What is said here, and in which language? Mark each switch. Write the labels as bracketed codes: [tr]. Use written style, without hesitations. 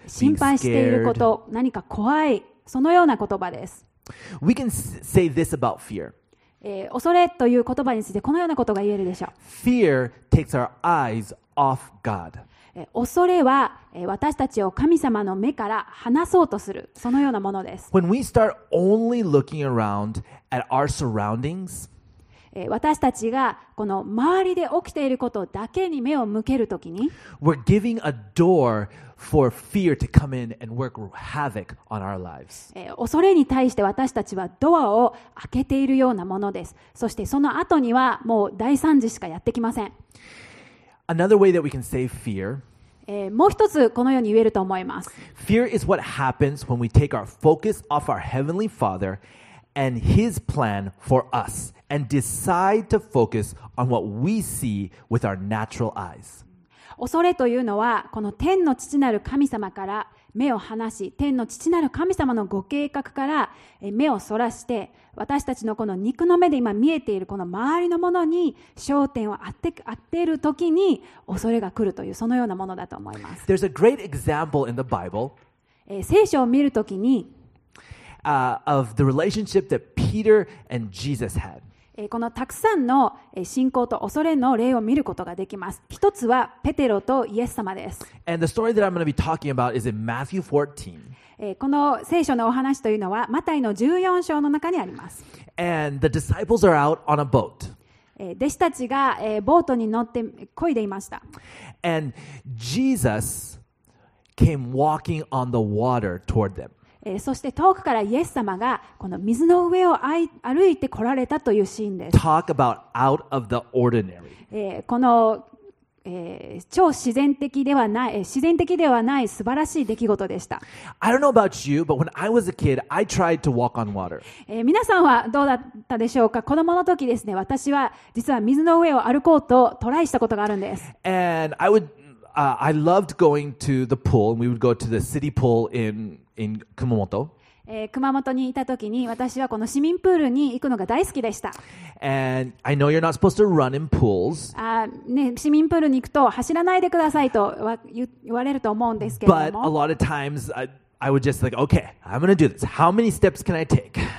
[ja] 心配していること、何か怖い、そのような言葉です。 [en] We can say this about fear. [ja] 恐れという言葉についてこのようなことが言えるでしょう。 [en] Fear takes our eyes off God. [ja] 恐れは、私たちを神様の目から離そうとする、そのようなものです。 [en] When we start only looking around at our surroundings, [ja] 私たちがこの周りで起きていることだけに目を向けるときに、 [en] We're giving a door for fear to come in and work havoc on our lives. [ja] 恐れに対して私たちはドアを開けているようなものです。そしてその後にはもう大惨事しかやってきません。 [en] Another way that we can say fear, [ja] もう一つこのように言えると思います。 [en] Fear is what happens when we take our focus off our Heavenly Father. And his plan for us, and decide to focus on what we see with our natural eyes. [ja] 恐れというのはこの天の父なる神様から目を離し、天の父なる神様のご計画から目をそらして、私たちのこの肉の目で今見えているこの周りのものに焦点を当てるときに恐れが来るというそのようなものだと思います。 [en] There's a great example in the Bible. [ja] 聖書を見るときに。 [en] Of the relationship that Peter and Jesus had. [ja] このたくさんの信仰と恐れの例を見ることができます。一つはペテロとイエス様です。 [en] And the story that I'm going to be talking about is in Matthew 14. [ja] この聖書のお話というのはマタイの14章の中にあります。 [en] And the disciples are out on a boat. [ja] 弟子たちがボートに乗って漕いでいました。 [en] And Jesus came walking on the water toward them. [ja] そして遠くからイエス様がこの水の上を歩いて来られたというシーンです。 [en] Talk about out of the ordinary. [ja] この、超自然的ではない、自然的ではない素晴らしい出来事でした。 [en] I don't know about you, but when I was a kid, I tried to walk on water. [ja] 皆さんはどうだったでしょうか。子供の時ですね、私は実は水の上を歩こうとトライしたことがあるんです。 [en] And I would,I loved going to the pool, and we would go to the city pool in. In Kumamoto. [ja] 熊本にいた時に私はこの市民プールに行くのが大好きでした。 [en] And I know you're not supposed to run in pools. [ja] ね、市民プールに行くと走らないでくださいと言われると思うんですけれども。 [en] But a lot of times I would just like, okay, I'm going to do this. How many steps can I take?